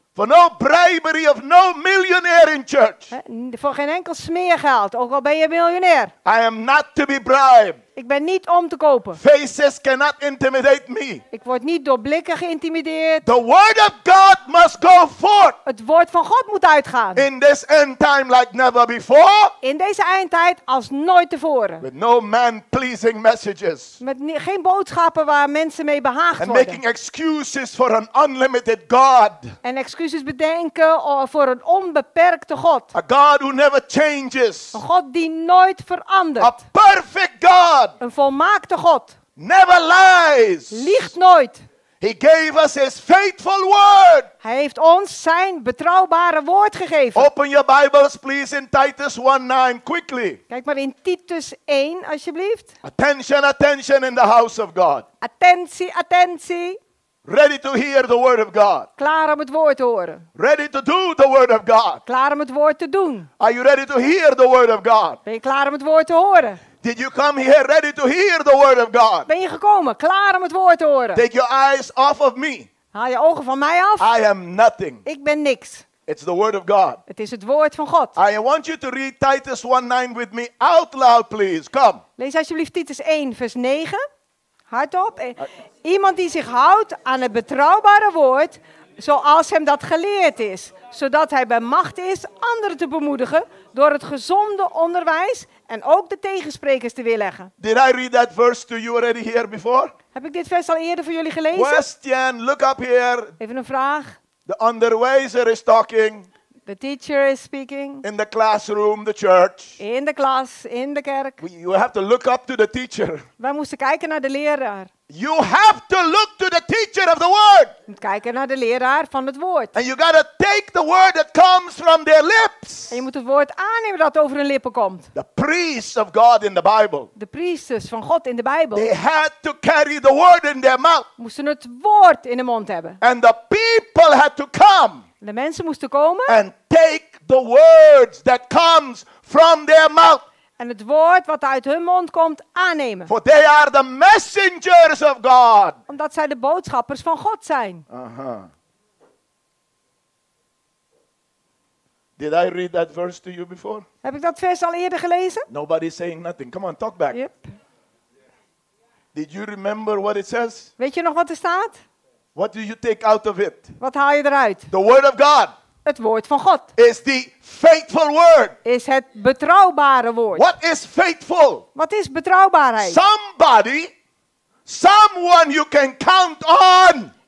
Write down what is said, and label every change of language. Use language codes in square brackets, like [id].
[en] For no bribery of no millionaire in church. [nl] Voor geen enkel smeergeld, ook al ben je miljonair. [en] I am not to be bribed. [nl] Ik ben niet om te kopen. [en] Faces cannot intimidate me. [nl] Ik word niet door blikken geïntimideerd. [en] The word of God must go forth. [nl] Het woord van God moet uitgaan. [en] In this end time like never before. [nl] In deze eindtijd als nooit tevoren. [en] With no man-pleasing messages. [nl] Met geen boodschappen waar mensen mee behaagd [en] And [nl] worden. [en] Making excuses for an unlimited God. [nl] En excuses bedenken voor een onbeperkte God. [en] A God who never changes. [nl] Een God die nooit verandert. [en] A perfect God. [nl] Een volmaakte God. [en] Never lies. [nl] Liegt nooit. [en] He gave us his faithful word. [nl] Hij heeft ons zijn betrouwbare woord gegeven. [en] Open your Bibles please in Titus 1:9 quickly. [nl] Kijk maar in Titus 1 alsjeblieft. [en] Attention, attention in the house of God. [nl] Attentie, attentie. [en] Ready to hear the word of God. [nl] Klaar om het woord te horen. [en] Ready to do the word of God. [nl] Klaar om het woord te doen. [en] Are you ready to hear the word of God? [nl] Ben je klaar om het woord te horen? [en] Did you come here ready to hear the word of God? [nl] Ben je gekomen klaar om het woord te horen? [en] Take your eyes off of me. [nl] Haal je ogen van mij af. [en] I am nothing. [nl] Ik ben niks. [en] It's the word of God. [nl] Het is het woord van God. [en] I want you to read Titus 1:9 with me out loud, please. Come. [nl] Lees alsjeblieft Titus 1 vers 9. Hardop. Iemand die zich houdt aan het betrouwbare woord, zoals hem dat geleerd is, zodat hij bij macht is anderen te bemoedigen door het gezonde onderwijs en ook de tegensprekers te weerleggen. [en] Did I read that verse to you already here before? [nl] Heb ik dit vers al eerder voor jullie gelezen? [en] Question, look up here. [nl] Even een vraag. [en] The onderwijzer is talking. The teacher is speaking. In the classroom, the church. [nl] In de klas, in de kerk. [en] You have to look up to the teacher. [nl] Wij moesten kijken naar de leraar. [en] You have to look to the teacher of the word. [nl] Kijken naar de leraar van het woord. [en] And you gotta take the word that comes from their lips. [nl] En je moet het woord aannemen dat over hun lippen komt. [en] The priests of God in the Bible. [nl] De priesters van God in de Bijbel. [en] They had to carry the word in their mouth. [nl] Moesten het woord in de mond hebben. [en] And the people had to come. [nl] De mensen moesten komen. [en] And take the words that comes from their mouth. [nl] En het woord wat uit hun mond komt aannemen. [en] For they are the messengers of God. [nl] Omdat zij de boodschappers van God zijn. [en] Did I read that verse to you before? [nl] Heb ik dat vers al eerder gelezen? [en] Nobody saying nothing. Come on, talk back. Yep. Did you remember what it says? [nl] Weet je nog wat er staat? [en] What do you take out of it? [nl] Wat haal je eruit? [en] The word of God. [nl] Het woord van God. [en] Is the faithful word. [nl] Is het betrouwbare woord. [en] What is faithful? [nl] Wat is betrouwbaarheid? [en] Somebody, someone you can count on.